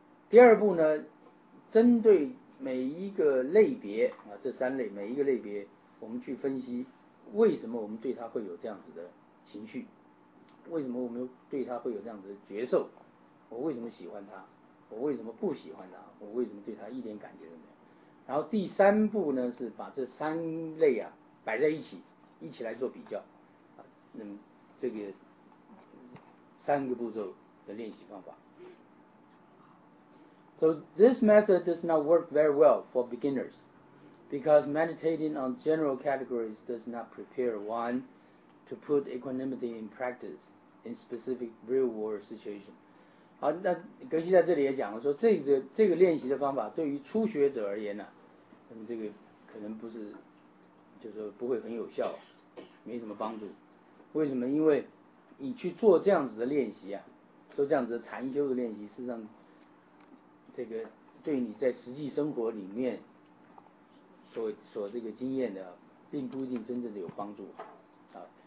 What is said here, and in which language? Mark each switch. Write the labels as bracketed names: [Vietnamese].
[Chinese] 第二步呢，针对每一个类别啊，这三类每一个类别，我们去分析为什么我们对他会有这样子的情绪，为什么我们对他会有这样子的觉受，我为什么喜欢他，我为什么不喜欢他，我为什么对他一点感觉都没有。然后第三步呢，是把这三类啊摆在一起来做比较啊，那么这个三个步骤的练习方法。 [English] So this method does not work very well for beginners because meditating on general categories does not prepare one to put equanimity in practice in specific real world situations. [Chinese] 好，那格西在这里也讲了说，这个练习的方法对于初学者而言呢，这个可能不是，就是不会很有效，没什么帮助。为什么？因为你去做这样子的练习啊，做这样子的禅修的练习，事实上这个对你在实际生活里面所这个经验的并不一定真正的有帮助啊。